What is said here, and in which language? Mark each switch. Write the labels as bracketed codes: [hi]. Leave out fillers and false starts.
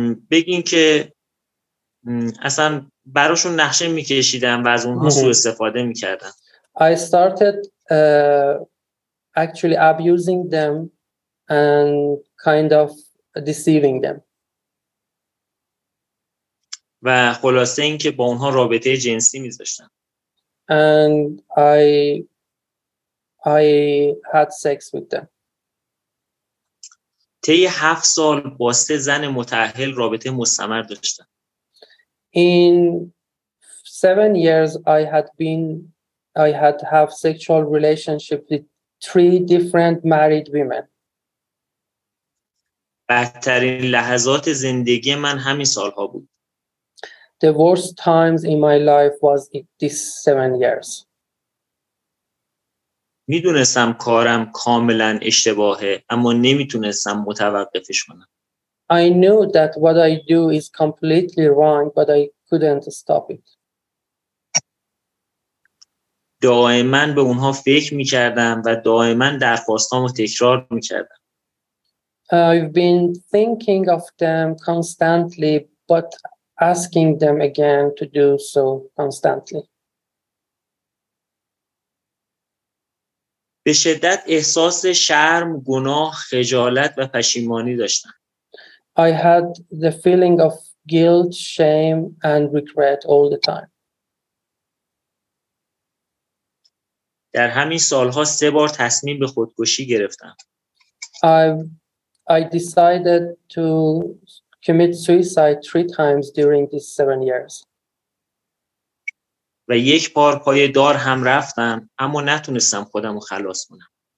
[fa] بگین که اصلا براشون نقشه می کشیدم و از اونها سوء استفاده می کردم. [en] I started actually abusing them and kind of deceiving them. [fa] و خلاصه این که با اونها رابطه جنسی میذاشتن. [en] And I had sex with them. [fa] طی 7 سال با 3 زن متأهل رابطه مستمر داشتن. [en] In 7 years I had sexual relationship with 3 different married women. [fa] بدترین لحظات زندگی من همین سالها بود. [en] The worst times in my life was these 7 years. [fa] میدونستم کارم کاملا اشتباهه، اما نمیتونستم متوقفش کنم. [en] I knew that what I do is completely wrong, but I couldn't stop it. [fa] دائما به اونها فکر میکردم و دائما درخواستامو تکرار میکردم. [en] I've been thinking of them constantly, but asking them again to do so constantly. [fa] به شدت احساس شرم، گناه، خجالت و پشیمانی داشتم. [en] I had the feeling of guilt, shame and regret all the time. [fa] در همین سالها 3 بار تصمیم به خودکشی گرفتم. [en] I decided to commit suicide 3 times during these 7 years. [fa] و یک بار پای دار هم رفتم، اما نتونستم خودم رو خلاص کنم.